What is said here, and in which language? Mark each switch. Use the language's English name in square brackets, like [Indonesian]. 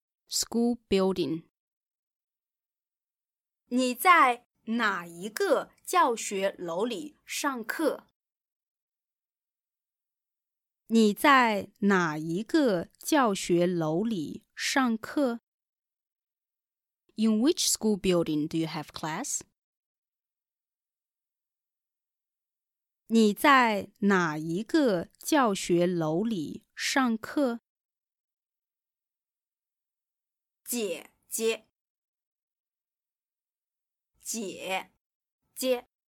[English] School building [Chinese] 你在哪一个教学楼里上课？你在哪一个教学楼里上课？ [English] In which school building do you have class? [Chinese] 你在哪一个教学楼里上课？姐姐，姐姐